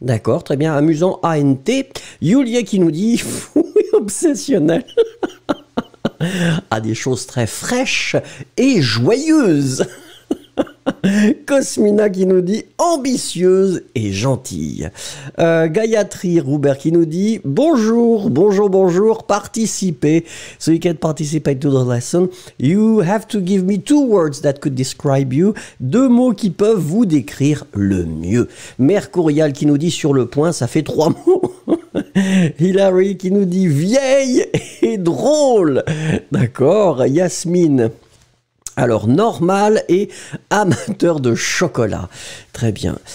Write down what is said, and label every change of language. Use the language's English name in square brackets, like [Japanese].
[French] D'accord, très bien, amusant, A-N-T. Yulia qui nous dit « fou et obsessionnel ». À des choses très fraîches et joyeuses. Cosmina qui nous dit ambitieuse et gentille. Gayatri Roubert qui nous dit bonjour, bonjour, bonjour, participez. [English] So you can participate to the lesson. You have to give me two words that could describe you. [French] Deux mots qui peuvent vous décrire le mieux. Mercurial qui nous dit sur le point, ça fait trois mots. Hilary qui nous dit vieille et drôle. D'accord. Yasmine. Alors, normal et amateur de chocolat. Très bien.